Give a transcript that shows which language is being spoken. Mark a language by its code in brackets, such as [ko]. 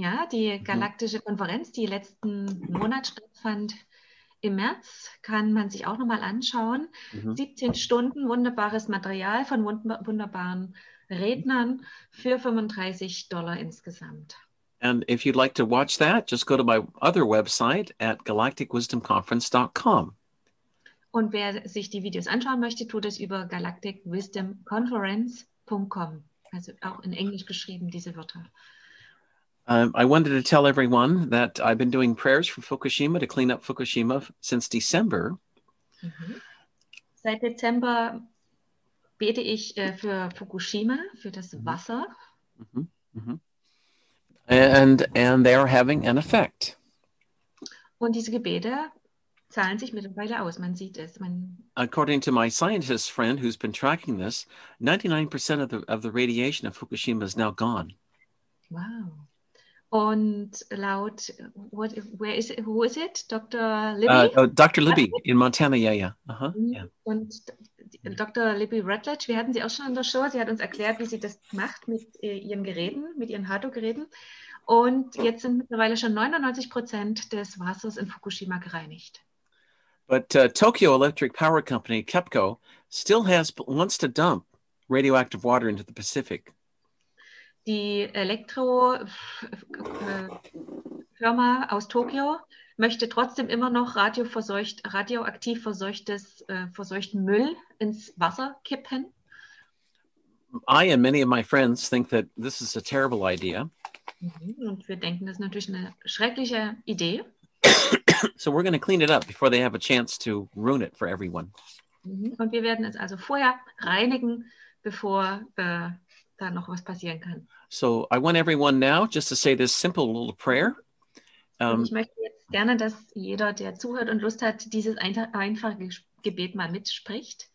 [de] die Galaktische Konferenz, die letzten Monat stattfand, im März kann man sich auch nochmal anschauen. Mhm. 17 Stunden wunderbares Material von wunderbaren Rednern für $35 insgesamt. [en] And if you'd like to watch that, just go to my other website at galacticwisdomconference.com. [de] Und wer sich die Videos anschauen möchte, tut es über galacticwisdomconference.com. Also auch in Englisch geschrieben, diese Wörter. [en] I wanted to tell everyone that I've been doing prayers for Fukushima to clean up Fukushima since December. Mm-hmm. [de] Seit Dezember bete ich für Fukushima, für das Wasser. [en] Mm-hmm. Mm-hmm. And they are having an effect. [de] Und diese Gebete zahlen sich mittlerweile aus, man sieht es. [en] According to my scientist friend who's been tracking this, 99% of the radiation of Fukushima is now gone. Wow. [de] Und laut, [en] who is it? Dr. Libby? Dr. Libby in Montana, [de] Und Dr. Libby Rutledge, wir hatten sie auch schon in der Show. Sie hat uns erklärt, wie sie das macht mit ihren Geräten, mit ihren Hardo-Geräten. Und jetzt sind mittlerweile schon 99% des Wassers in Fukushima gereinigt. [en] But Tokyo Electric Power Company, KEPCO, still wants to dump radioactive water into the Pacific. [de] Die Elektrofirma aus Tokio möchte trotzdem immer noch radioaktiv verseuchten Müll ins Wasser kippen. [en] I and many of my friends think that this is a terrible idea. [de] Und wir denken, das ist natürlich eine schreckliche Idee. [en] So we're going to clean it up before they have a chance to ruin it for everyone. [de] Und wir werden es also vorher reinigen, bevor da noch was passieren kann. [en] So I want everyone now just to say this simple little prayer. [de] Ich möchte jetzt gerne, dass jeder, der zuhört und Lust hat, dieses einfache Gebet mal mitspricht.